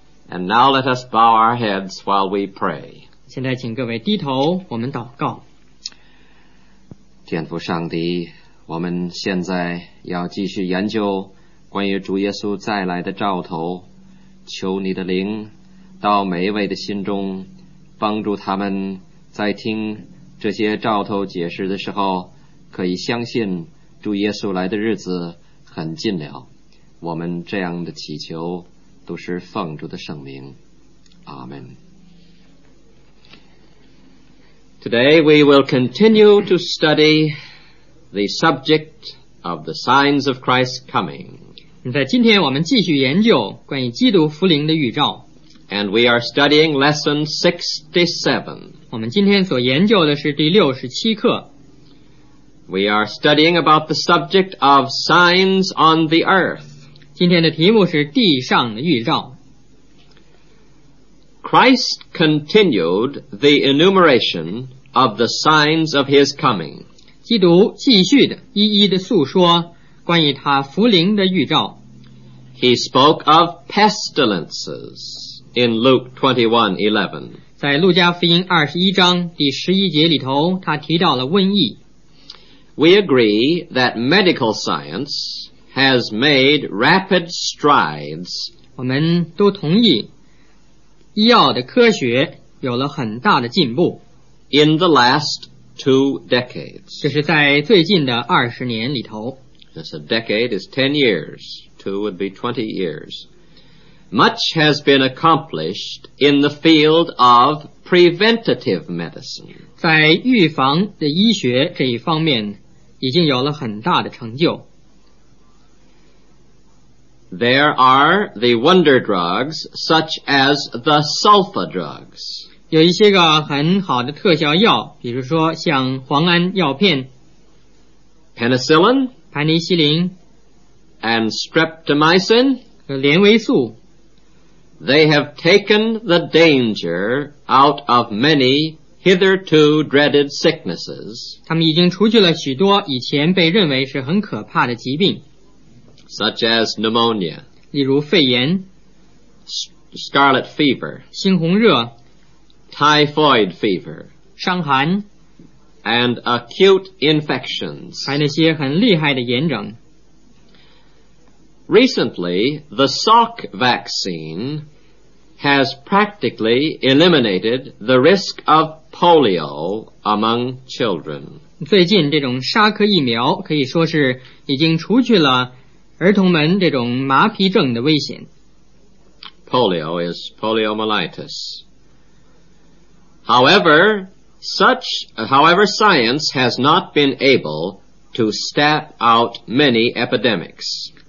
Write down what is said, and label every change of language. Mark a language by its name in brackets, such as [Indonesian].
[English] And now let us bow our heads while we pray. [Chinese] 现在请各位低头，我们祷告。天父上帝，我们现在要继续研究关于主耶稣再来的兆头，求你的灵到每一位的心中，帮助他们在听这些兆头解释的时候，可以相信主耶稣来的日子很近了。我们这样的祈求都是奉主的圣名，阿们。 [English] Today we will continue to study the subject of the signs of Christ's coming. [Chinese] 在今天我们继续研究关于基督复临的预兆。 [English] And we are studying lesson 67. [Chinese] 我们今天所研究的是第67课。 [English] We are studying about the subject of signs on the earth. [Chinese] 今天的题目是地上的预兆。 [English] Christ continued the enumeration of the signs of his coming. [Chinese] 基督继续的一一的诉说关于他复临的预兆。 [English] He spoke of pestilences in Luke 21:11. [Chinese] 在路加福音21章第11节里头，他提到了瘟疫。 [English] We agree that medical science has made rapid strides. [Chinese] 我们都同意医药的科学有了很大的进步。 [English] In the last two decades. [Chinese] 这是在最近的二十年里头。 [English] Yes, a decade is 10 years. Two would be 20 years. Much has been accomplished in the field of preventative medicine. [Chinese] 在预防的医学这一方面已经有了很大的成就。 [English] There are the wonder drugs such as the sulfa drugs. [Chinese] 有一些个很好的特效药，比如说像磺胺药片 [English] ，penicillin， [Chinese] 盘尼西林 [English] ，and streptomycin， [Chinese] 连维素。 [English] They have taken the danger out of many hitherto dreaded sicknesses. [Chinese] 他们已经除去了许多以前被认为是很可怕的疾病。 [English] Such as pneumonia, [Chinese] 例如肺炎 [English] ,scarlet fever, [Chinese] 猩红热 [English] ,typhoid fever, [Chinese] 伤寒 [English] ,and acute infections, [Chinese] 还那些很厉害的炎症。 [English] Recently, the shock vaccine has practically eliminated the risk of polio among children. [Chinese] 最近这种沙克疫苗可以说是已经除去了儿童们这种麻痹症的危险。 [English] Polio is poliomyelitis. However, science has not been able to stamp out many epidemics.